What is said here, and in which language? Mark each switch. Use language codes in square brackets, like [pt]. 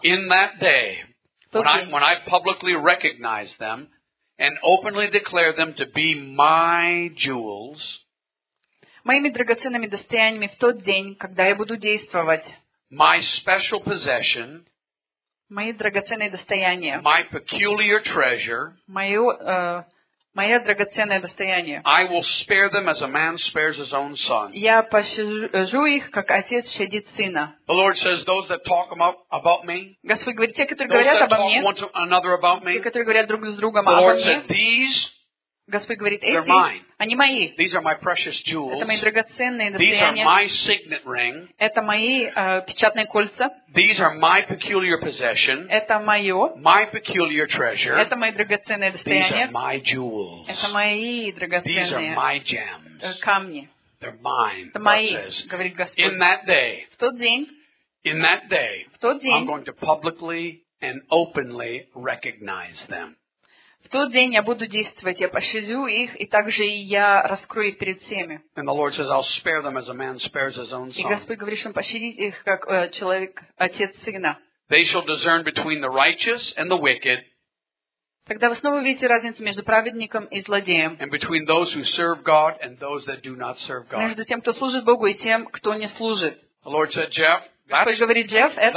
[en] In that day, when I publicly recognize them and openly declare them to be my jewels. [ru] Моими драгоценными достояниями в тот день, когда я буду действовать. [en] My special possession. [ru] Мои драгоценные достояния. [en] My peculiar treasure. [ru] Мое драгоценное достояние. [en] I will spare them as a man spares his own son. [ru] Я пощажу их, как отец щадит сына. [en] The Lord says, those that talk about me. [ru] Господь говорит, те, которые говорят обо мне. [en] Those that talk one to another about me. [ru] Те, которые говорят друг с другом обо мне. [en] The Lord said, these. [ru] Господь говорит, [en] they're mine. [ru] Они мои. [en] These are my precious jewels. [ru] Это мои драгоценные достояния. [en] These are my signet ring. [ru] Это мои печатные кольца. [en] These are my peculiar possession. [ru] Это мое. [en] My peculiar treasure. [ru] Это мои драгоценные достояния. [en] These are my jewels. [ru] Это мои драгоценные. [en] These are my gems. [ru] Камни. [en] They're mine. [ru] Это мои. [en] Says, [ru] говорит Господь. [en] In that day. [ru] В тот день. [en] In that day. [ru] В тот день. [en] I'm going to publicly and openly recognize them. [ru] В тот день я буду действовать, я пощажу их, и также я раскрою их перед всеми. [en] And the Lord says, I'll spare them as a man spares his own son. [ru] И Господь говорит, что он пощадит их, как человек, отец сына. [en] They shall discern between the righteous and the wicked. [ru] Тогда вы снова увидите разницу между праведником и злодеем. [en] And between those who serve God and those that do not serve God. [ru] Между тем, кто служит Богу, и тем, кто не служит. [en] The Lord said, Jeff. [ru] Господь говорит, Джефф, это...